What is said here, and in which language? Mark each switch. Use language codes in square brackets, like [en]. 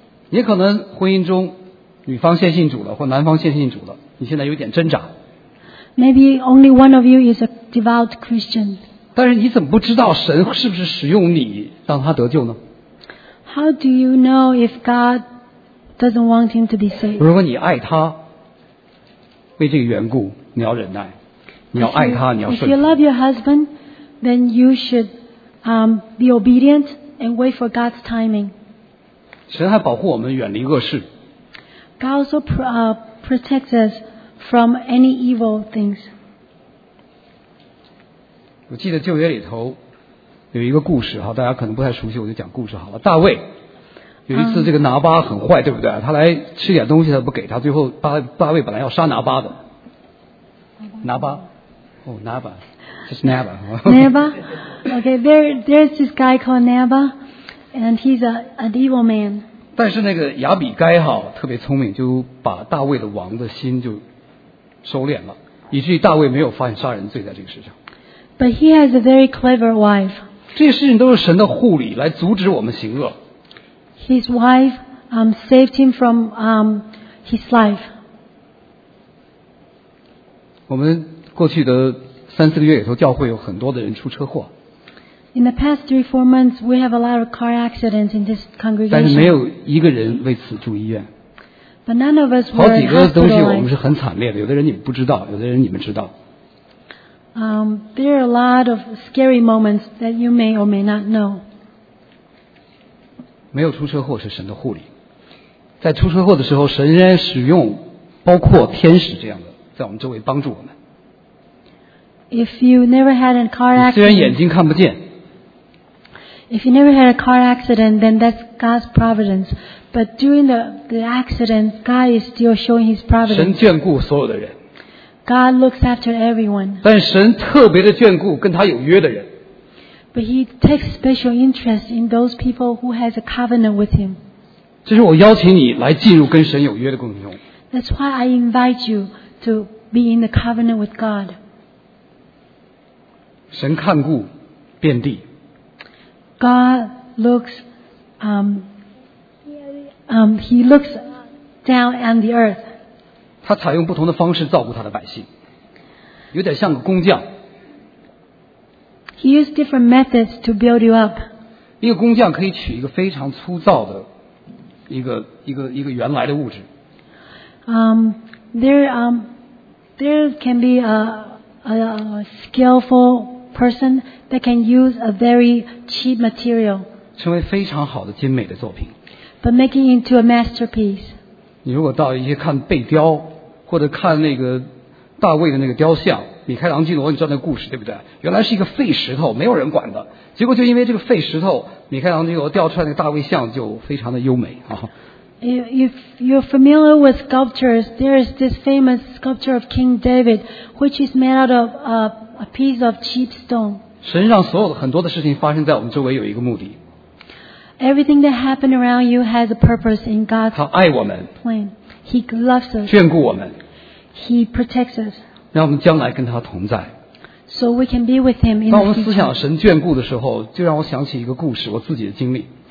[zh] 也可能婚姻中女方先信主了或男方先信主了，你现在有点挣扎。 [en] Maybe only one of you is a devout Christian. [zh] 但是你怎么不知道神是不是使用你让他得救呢？ [en] How do you know if God doesn't want him to be saved? [zh] 如果你爱他，为这个缘故你要忍耐，你要爱他，你要顺服。 [en] If you love your husband, then you should be obedient and wait for God's timing. [zh] 神还保护我们远离恶事。 [en] God also protects us from any evil things. [zh] 我记得旧约里头有一个故事，大家可能不太熟悉，我就讲故事好了。大卫有一次这个拿巴很坏，对不对？他来吃点东西他不给他，最后大卫本来要杀拿巴的。拿巴，哦，拿巴，这是拿巴。 [en] 拿巴 ，OK， there's this guy called Naba， and he's an evil man。 [zh] 但是那个亚比该哈特别聪明，就把大卫的王的心就收敛了，以至于大卫没有犯杀人罪在这个事上。 [en] But he has a very clever wife。 [zh] 这些事情都是神的护理，来阻止我们行恶。 [en] His wife saved him from his life。 [zh] 我们过去的三四个月里头，教会有很多的人出车祸。 [en] In the past three, four months, we have a lot of car accidents in this congregation. [zh] 但是没有一个人为此住医院。 [en] But none of us were hospitalized. [zh] 好几个东西我们是很惨烈的，有的人你们不知道，有的人你们知道。 [en] There are a lot of scary moments that you may or may not know. [zh] 没有出车祸是神的护理，在出车祸的时候，神仍然使用包括天使这样的。在我们周围帮助我们。 [en] If you never had a car accident, [zh] 虽然眼睛看不见。 [en] If you never had a car accident, then that's God's providence. But during the accident, God is still showing His providence. [zh] 神眷顾所有的人。 [en] God looks after everyone. [zh] 但神特别的眷顾跟他有约的人。 [en] But He takes special interest in those people who has a covenant with Him. [zh] 这是我邀请你来进入跟神有约的共同。 [en] That's why I invite you. To be in the covenant with God. [zh] 神看顾遍地。 [en] God looks, He looks down on the earth. [zh] 他采用不同的方式照顾他的百姓，有点像个工匠。 [en] He used different methods to build you up. [zh] 一个工匠可以取一个非常粗糙的一个原来的物质。 [en] There can be a skillful person that can use a very cheap material. [zh] 成为非常好的精美的作品。 [en] But making into a masterpiece. [zh] 你如果到一些看贝雕，或者看那个大卫的那个雕像，米开朗基罗，你知道那个故事对不对？原来是一个废石头，没有人管的。结果就因为这个废石头，米开朗基罗雕出来那个大卫像就非常的优美啊。 [en] If you're familiar with sculptures, there is this famous sculpture of King David, which is made out of a piece of cheap stone. [zh] 神让所有的很多的事情发生在我们周围有一个目的。 [en] Everything that happened around you has a purpose in God's plan. [zh] 他爱我们。 [en] He loves us. [zh] 眷顾我们。 [en] He protects us. [zh] 让我们将来跟他同在。 [en] So we can be with him in the future. [zh] 当我们思想神眷顾的时候，就让我想起一个故事，我自己的经历。